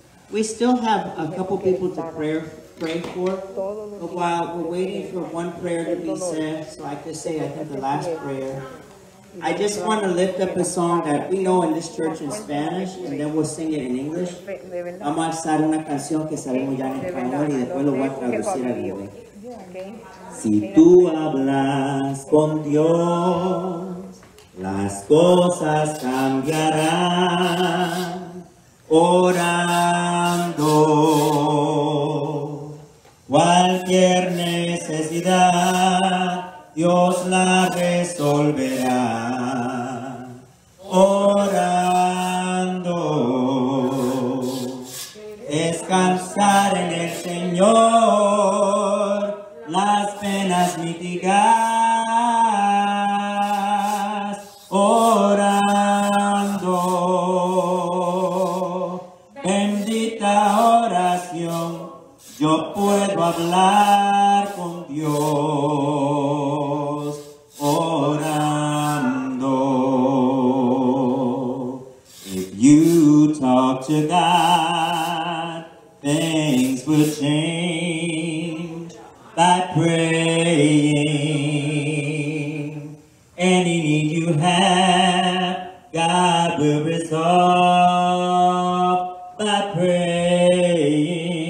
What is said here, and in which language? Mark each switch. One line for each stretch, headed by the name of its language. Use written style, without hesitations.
English: We still have a couple people to pray for. But while we're waiting for one prayer to be said, so I could say I have the last prayer. I just want to lift up a song that we know in this church in Spanish, and then we'll sing it in English.
Spanish: Vamos a alzar una canción que sabemos ya en español y después lo voy a traducir a inglés. Si tú hablas con Dios, las cosas cambiarán. Orando, cualquier necesidad, Dios la resolverá. Orando, escapa. descansar en el Señor, las penas mitigas orando. Bendita oración, yo puedo hablar con Dios orando.
English: If you talk to God, things will change by praying. Any need you have, God will resolve by praying.